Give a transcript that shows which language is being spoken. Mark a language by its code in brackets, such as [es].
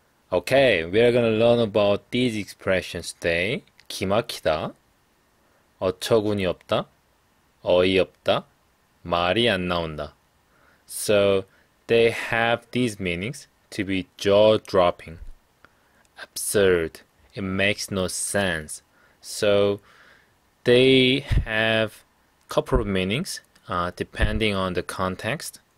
[en] Okay, we are gonna learn about these expressions today. [ko] 기막히다, 어처구니없다, 어이없다, 말이 안 나온다. [en] So they have these meanings to be jaw-dropping, absurd, it makes no sense. So they have couple of meanings depending on the context.